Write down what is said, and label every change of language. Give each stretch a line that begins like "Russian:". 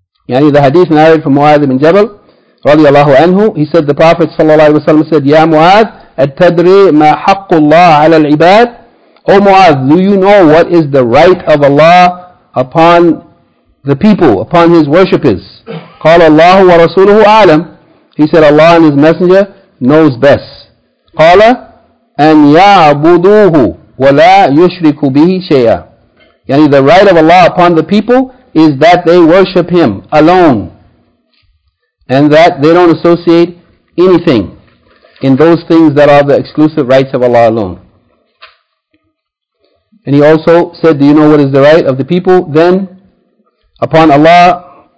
English: Yani the hadith narrated from Mu'adh ibn Jabal
Arabic: radiallahu anhu,
English: he said the Prophet said,
Arabic: Ya Mu'adh, at-tadri ma haqqu Allah ala al-ibad?
English: O Mu'adh, do you know what is the right of Allah upon the people, upon His worshippers?
Arabic: قال الله ورسوله أعلم.
English: He said, Allah and His Messenger knows best.
Arabic: قال أن يعبدوه ولا يشرك به شيئا.
English: يعني the right of Allah upon the people is that they worship Him alone, and that they don't associate anything in those things that are the exclusive rights of Allah alone. And he also said, do you know what is the right of the people then upon Allah?